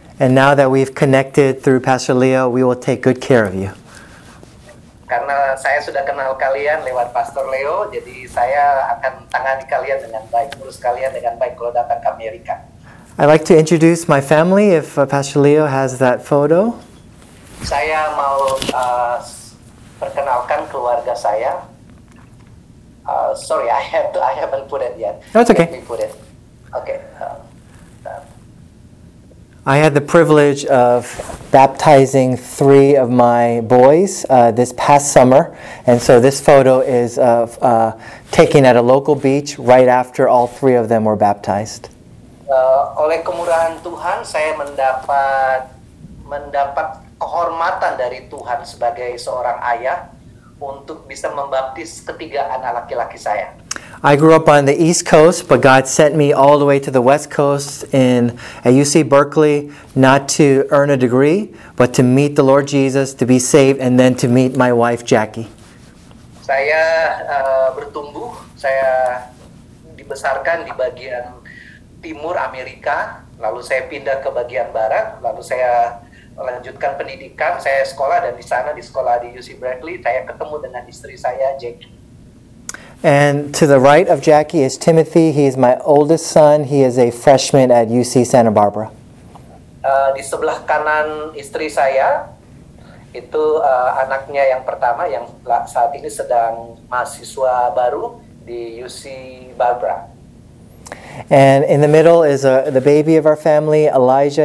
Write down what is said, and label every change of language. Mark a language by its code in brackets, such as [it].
[en] And now that we've connected through Pastor Leo, we will take good care of you. [id] Karena saya sudah kenal kalian lewat Pastor Leo, jadi saya akan tangani kalian dengan baik, urus kalian dengan baik kalau datang ke Amerika. [en] I'd like to introduce my family, if Pastor Leo has that photo. [id] Saya mau perkenalkan keluarga saya. [en] Sorry, I haven't put it yet. That's okay. Let me put it. Okay. I had the privilege of baptizing three of my boys this past summer, and so this photo is of taken at a local beach right after all three of them were baptized. [id] Oleh kemurahan Tuhan, saya mendapat kehormatan dari Tuhan sebagai seorang ayah untuk bisa membaptis ketiga anak laki-laki saya. [en] I grew up on the East Coast, but God sent me all the way to the West Coast in at UC Berkeley, not to earn a degree, but to meet the Lord Jesus, to be saved, and then to meet my wife, Jackie. [id] Saya bertumbuh, saya dibesarkan di bagian timur Amerika, lalu saya pindah ke bagian barat, lalu saya lanjutkan pendidikan, saya sekolah, dan di sana, di sekolah di UC Berkeley, saya ketemu dengan istri saya, Jackie. [en] And to the right of Jackie is Timothy. He is my oldest son. He is a freshman at UC Santa Barbara. [id] Di sebelah kanan istri saya, itu anaknya yang pertama yang saat ini sedang mahasiswa baru di UC Barbara. [en] And in the middle is the baby of our family, Elijah.